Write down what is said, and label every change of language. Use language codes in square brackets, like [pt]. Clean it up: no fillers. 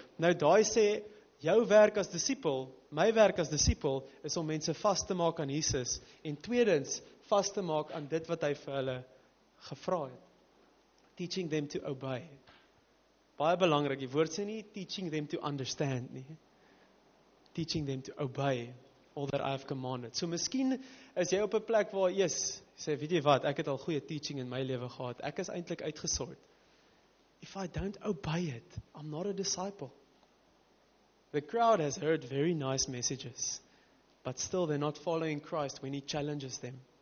[af] Nou daai sê, jou werk as disipel, my werk as disipel, is om mense vast te maak aan Jesus, en tweedens, vast te maak aan dit wat hy vir hulle gevra het, [en] teaching them to obey. [af] Baie belangrik, die woord sê nie, [en] teaching them to understand [af] nie. [en] Teaching them to obey all that I have commanded. [af] So miskien is jy op 'n plek waar, yes, sê, weet jy wat, ek het al goeie teaching in my lewe gehad, ek is eintlik uitgesort. [en] If I don't obey it, I'm not a disciple. The crowd has heard very nice messages, but still they're not following Christ when he challenges them.